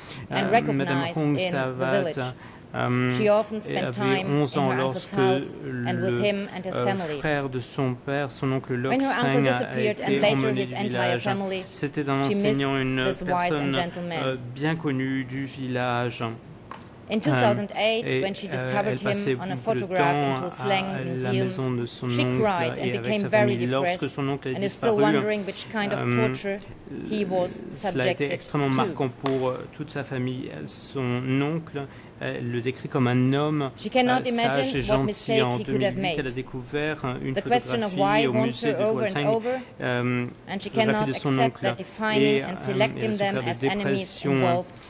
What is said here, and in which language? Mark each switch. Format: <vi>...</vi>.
<fr>Madame Hong Savat avait 11 ans lorsque le frère de son père, son oncle Lok Sreng, a été emmené du village. C'était un enseignant, une personne bien connue du village.</fr> <en>In 2008, when she discovered him on a photograph in the Slang Museum, she cried and became very depressed and is still wondering which kind of torture he was subjected to.</en> <fr>Cela a été extrêmement marquant pour toute sa famille. Son oncle le décrit comme un homme sage et gentil. En 2008, elle a découvert une photographie au musée de Wolfsheim, photographie de son oncle, et elle a souffert de dépression.</fr>